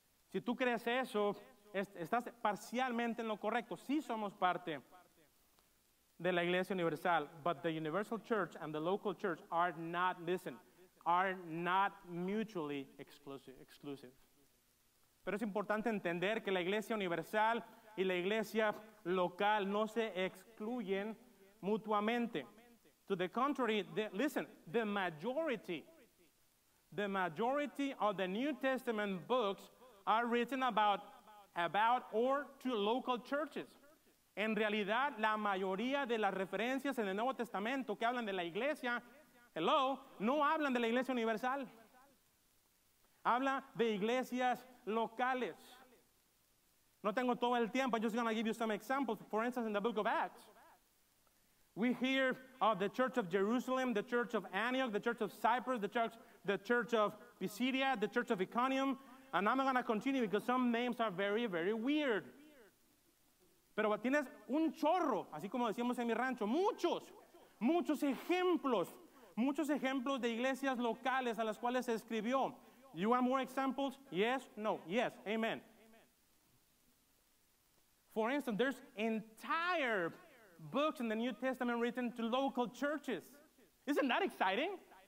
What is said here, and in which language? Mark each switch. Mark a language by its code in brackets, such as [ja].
[es] Si tú crees eso, estás parcialmente en lo correcto. Sí somos parte de la iglesia universal, [en] but the universal church and the local church are not mutually exclusive. [es] Pero es importante entender que la iglesia universal y la iglesia local no se excluyen mutuamente. [en] To the contrary, the majority of the New Testament books are written about or to local churches. [es] En realidad, la mayoría de las referencias en el Nuevo Testamento que hablan de la iglesia, hello, no hablan de la iglesia universal. Habla de iglesias locales. No tengo todo el tiempo. [en] I'm just going to give you some examples. For instance, in the book of Acts, we hear of the church of Jerusalem, the church of Antioch, the church of Cyprus, the church of Pisidia, the church of Iconium. And I'm not going to continue because some names are very, very weird. [es] Pero tienes un chorro, así como decimos en mi rancho, muchos ejemplos de iglesias locales a las cuales se escribió. [en] You want more examples? Yes? No. Yes. Amen. For instance, there's entire books in the New Testament written to local churches. Isn't that exciting?